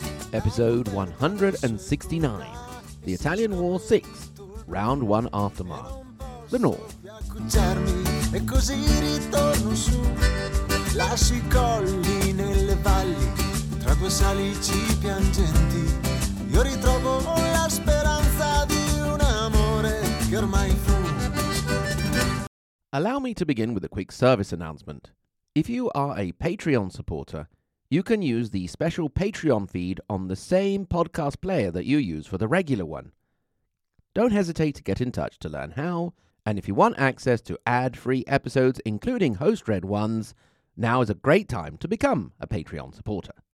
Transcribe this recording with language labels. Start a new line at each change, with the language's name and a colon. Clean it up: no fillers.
English: Episode 169, The Italian War 6, Round 1 Aftermath, The North.
Italian: E così ritorno su, lascio i colli nelle valli, tra due salici piangenti, io ritrovo la speranza di un amore che ormai fu.
English: Allow me to begin with a quick service announcement. If you are a Patreon supporter, you can use the special Patreon feed on the same podcast player that you use for the regular one. Don't hesitate to get in touch to learn how. And if you want access to ad-free episodes, including host-read ones, now is a great time to become a Patreon supporter.